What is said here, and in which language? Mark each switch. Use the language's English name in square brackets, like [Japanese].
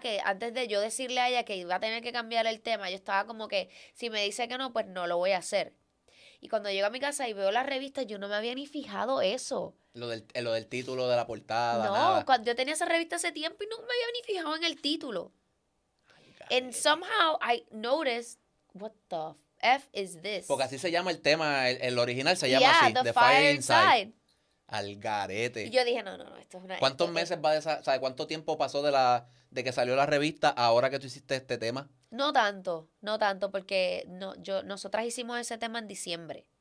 [Spanish] Que antes de yo decirle a ella que iba a tener que cambiar el tema, yo estaba como que, si me dice que no, pues no lo voy a hacer. Y cuando llego a mi casa y veo la revista, yo no me había ni fijado eso. Lo del título de la portada, no, nada. No, cuando yo tenía esa revista hace tiempo y no me había ni fijado en el título. [English] And somehow I noticed, what the F is this? [Spanish] Porque así se llama el tema, el original se llama así, The Fire Inside. Al garete. Y yo dije, no, esto es una... ¿Cuántos meses va de esa, o sea, cuánto tiempo pasó de que salió la revista a ahora que tú hiciste este tema? No tanto, porque nosotras hicimos ese tema en diciembre.